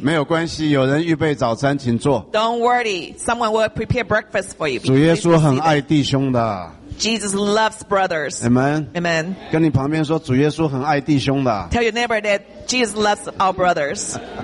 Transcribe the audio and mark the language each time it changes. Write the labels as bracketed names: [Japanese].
[Chinese] 没有关系，有人预备早餐，请坐。 [English] Don't worry, someone will prepare breakfast for you. [Chinese] 主耶稣很爱弟兄的。 [English] Jesus loves brothers. Amen. Amen. [Chinese] 跟你旁边说，主耶稣很爱弟兄的。 [English] Tell your neighbor that Jesus loves our brothers.